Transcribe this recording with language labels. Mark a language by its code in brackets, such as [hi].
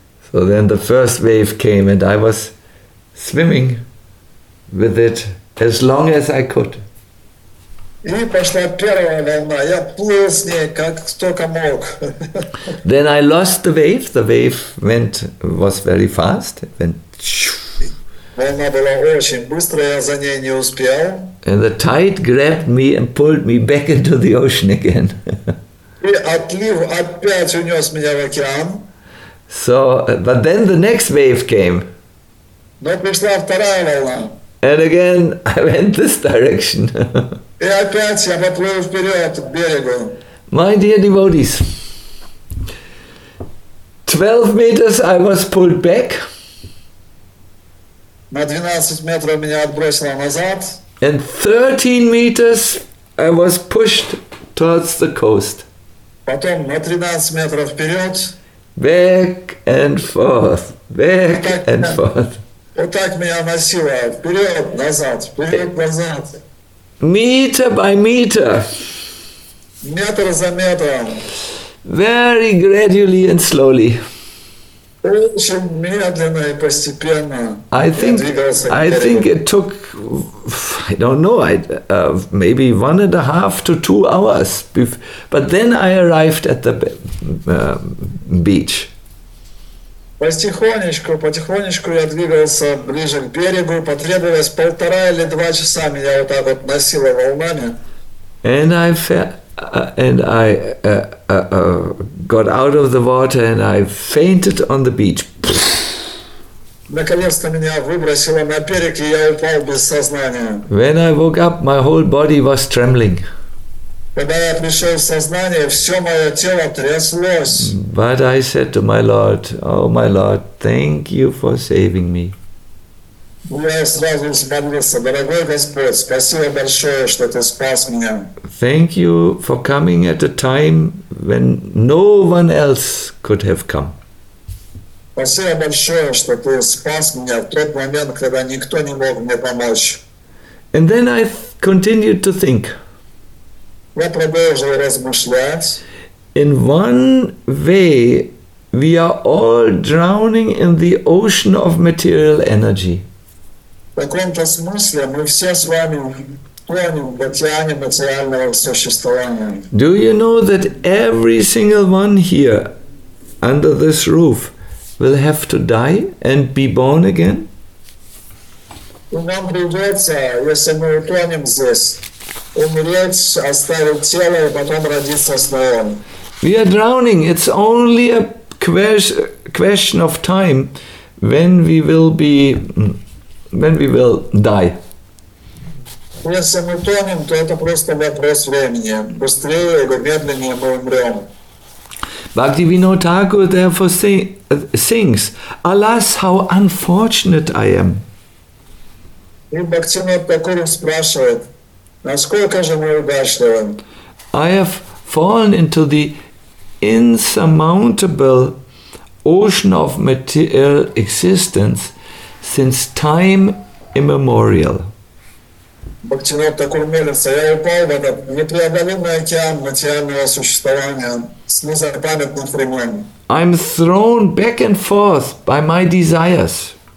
[en] So then the first wave came and I was swimming with it as long as I could. [ru] И пошла первая волна. Я плыл с ней как столько мог. [en] Then I lost the wave. The wave was very fast. It went. [ru] Волна была очень быстрая, я за ней не успел. [en] And the tide grabbed me and pulled me back into the ocean again. [ru] И отлив опять унес меня в океан. [en] So, but then the next wave came. [ru] Но пришла вторая волна. [en] And again, I went this direction. [ru] И опять я поплыл вперед к берегу. [en] My dear devotees, 12 meters I was pulled back. [ru] На 12 метров меня отбросило назад. [en] And 13 meters I was pushed towards the coast. [ru] Потом на 13 метров вперед. [en] Back and forth, back and forth. [ru] Вот так меня носило, вперед-назад, вперед-назад. [en] Meter by meter. [ru] Метр за метром. [en] Very gradually and slowly. [ru] Очень медленно и постепенно. [en] I think it took, I don't know, maybe 1.5 to 2 hours. But then I arrived at the beach. [ru] Потихонечку я двигался ближе к берегу. Потребовалось 1.5 или 2 часа меня вот так вот носило волнами. [en] And I felt, got out of the water and I fainted on the beach. [ru] Наконец-то меня выбросило на берег, и я упал без сознания. [en] When I woke up, my whole body was trembling. [ru] Когда я пришел в сознание, все мое тело тряслось. [en] But I said to my Lord, oh my Lord, thank you for saving me. [ru] Я сразу взмолился, дорогой Господь, спасибо большое, что ты спас меня. [en] Thank you for coming at a time when no one else could have come. [ru] Спасибо большое, что ты спас меня в тот момент, когда никто не мог мне помочь. [en] And then I continued to think. [ru] Я продолжил размышлять. [en] In one way, we are all drowning in the ocean of material energy. [ru] В каком-то смысле мы все с вами тонем в океане материального существования. [en] Do you know that every single one here under this roof will have to die and be born again? [ru] Нам придется, если мы утонем здесь, умереть, оставить тело и потом родиться снова. [en] We are drowning. It's only a question of time when we will die. [ru] Если мы тонем, то это просто вопрос времени. Быстрее или медленнее мы умрем. [en] Bhaktivinoda Thakur therefore sings, "Alas, how unfortunate I am!" [ru] И Бхактивинода Такур спрашивает, насколько же мы удачливы. [en] I have fallen into the insurmountable ocean of material existence since time immemorial. [ru] Бхактивинода Такур молится, я упал в этот непреодолимый океан материального существования. [en] I'm thrown back and forth by my desires.